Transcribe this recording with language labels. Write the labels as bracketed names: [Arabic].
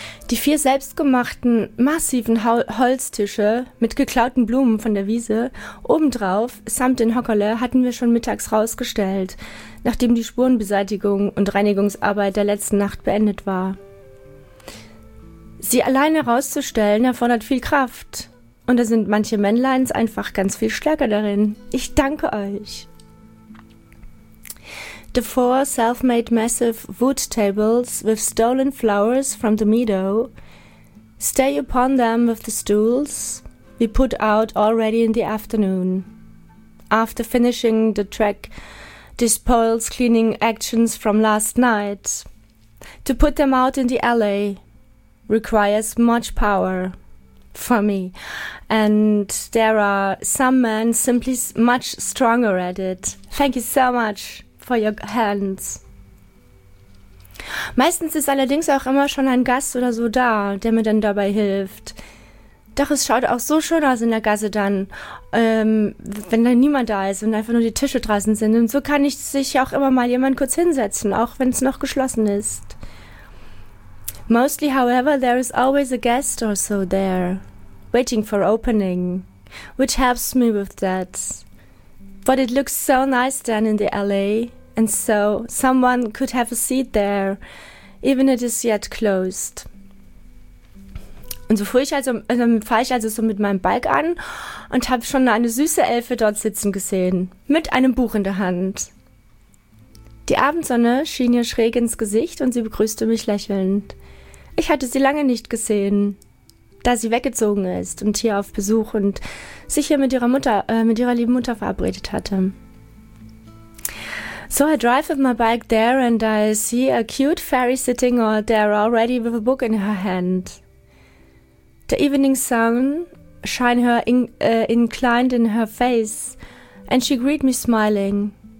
[German] Die 4 selbstgemachten, massiven Holztische mit geklauten Blumen von der Wiese obendrauf samt den Hockerle hatten wir schon mittags rausgestellt, nachdem die Spurenbeseitigung und Reinigungsarbeit der letzten Nacht beendet war. Sie alleine rauszustellen erfordert viel Kraft und da sind manche Männleins einfach ganz viel stärker darin. Ich danke euch. [English] The 4 self-made massive wood tables with stolen flowers from the meadow. Stay upon them with the stools we put out already in the afternoon. After finishing the track, despoils cleaning actions from last night. To put them out in the alley requires much power for me. And there are some men simply much stronger at it. Thank you so much. For your hands. [German] Meistens ist allerdings auch immer schon ein Gast oder so da, der mir dann dabei hilft. Doch es schaut auch so schön aus in der Gasse dann, wenn dann niemand da ist und einfach nur die Tische draußen sind. Und so kann ich sich auch immer mal jemand kurz hinsetzen, auch wenn es noch geschlossen ist. [English] Mostly, however, there is always a guest or so there, waiting for opening, which helps me with that. But it looks so nice down in the alley, and so someone could have a seat there, even if it is yet closed. [German] Und so fahre ich also so mit meinem Bike an und habe schon eine süße Elfe dort sitzen gesehen, mit einem Buch in der Hand. Die Abendsonne schien ihr schräg ins Gesicht und sie begrüßte mich lächelnd. Ich hatte sie lange nicht gesehen, da sie weggezogen ist und hier auf Besuch und sich hier mit ihrer lieben Mutter verabredet hatte. [English] So I drive with my bike there and I see a cute fairy sitting there already with a book in her hand. The evening sun shine her inclined in her face and she greeted me smiling.